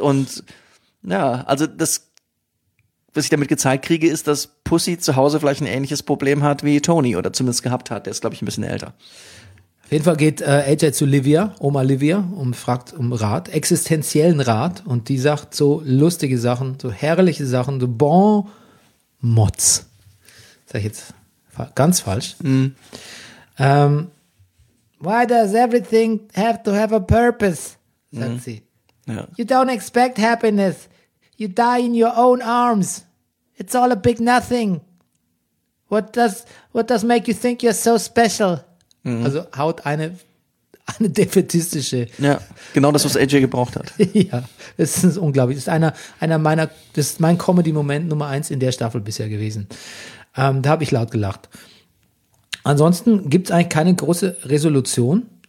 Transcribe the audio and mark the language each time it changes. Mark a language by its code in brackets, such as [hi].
[de] Und ja, also das, was ich damit gezeigt kriege, ist, dass Pussy zu Hause vielleicht ein ähnliches Problem hat wie Tony oder zumindest gehabt hat, der ist, glaube ich, ein bisschen älter. Auf jeden Fall geht AJ zu Livia, Oma Livia, und fragt um Rat, existenziellen Rat. Und die sagt so lustige Sachen, so herrliche Sachen, so bon mots. Sag ich jetzt ganz falsch. Mm. [en] Why does everything have to have a purpose? [de] Sagt sie. Ja. [en] You don't expect happiness. You die in your own arms. It's all a big nothing. What does make you think you're so special? [de] Also haut eine defetistische. Ja, genau das, was AJ gebraucht hat. Ja, das ist unglaublich. Das ist einer meiner, das ist mein Comedy-Moment Nummer 1 in der Staffel bisher gewesen. Da habe ich laut gelacht. Ansonsten gibt es eigentlich keine große Resolution.